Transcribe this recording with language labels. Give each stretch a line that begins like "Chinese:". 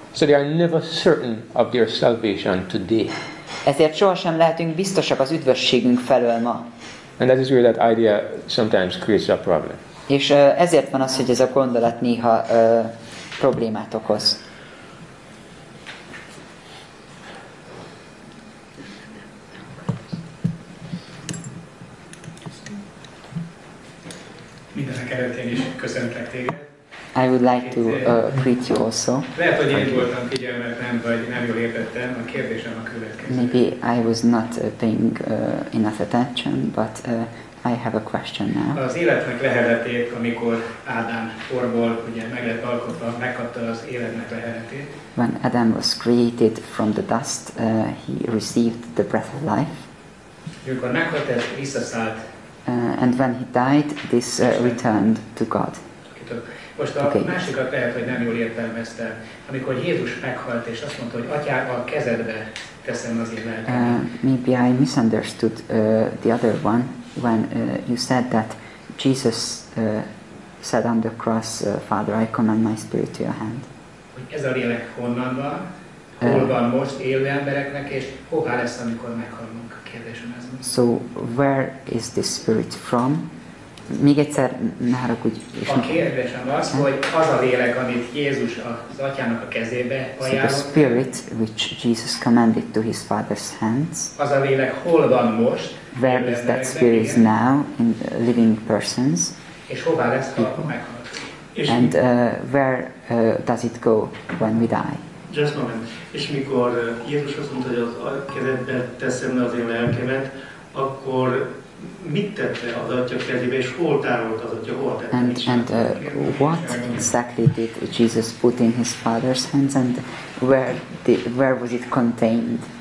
English: So they are never certain of their salvation today.
Hungarian: Ezért sohasem lehetünk biztosak az üdvösségünk felől ma.
English: And that is where that idea sometimes creates a problem.
Hungarian: És ezért van az, hogy ez a gondolat néha problémát okoz. Mindenek előtt én is köszöntlek téged.
English: I would like to greet you also.
Hungarian: Lehet, hogy én voltam figyelmetlen, vagy nem jól értettem. A kérdésem a következő.
English: Maybe I was not paying enough attention, but I have a question now.
Hungarian: Az életnek leheletét, amikor Ádám porból ugye meg lett alkotva, megkapta az életnek leheletét.
English: When Adam was created from the dust, he received the breath of life.
Hungarian: Amikor meghalt, ez visszaszállt.
English: And when he died, this returned to God.
Hungarian: Most a másikat lehet, hogy nem jól értelmezte. Amikor Jézus meghalt, és azt mondta, hogy Atya, a kezedbe teszem az én lelkemet.
English: Maybe I misunderstood the other one when you said that Jesus said on the cross, Father, I commend my spirit to your hand.
Hungarian: Hogy ez a lélek honnan van, hol van most élő embereknek, és hová lesz, amikor meghalunk?
English: So where is this spirit from?
Hungarian: Még egyszer, ne haragudj. A kérdésem az, hogy az a lélek, amit Jézus az Atyának a kezébe ajánlott.
English: So the spirit which Jesus commanded to his father's hands.
Hungarian: Az a lélek hol van most?
English: Where is that spirit is now in living persons?
Hungarian: És hová lesz, ha meghalt?
English: And where does it go when we die? Just a moment.
Hungarian: És mikor Jézus azt mondta, hogy az a kezedbe teszem le az én lelkemet, akkor mit tette az Atya kezébe, és hol tárolt az Atya, hol tette?
English: And what exactly did Jesus put in his father's hands, and where was it contained?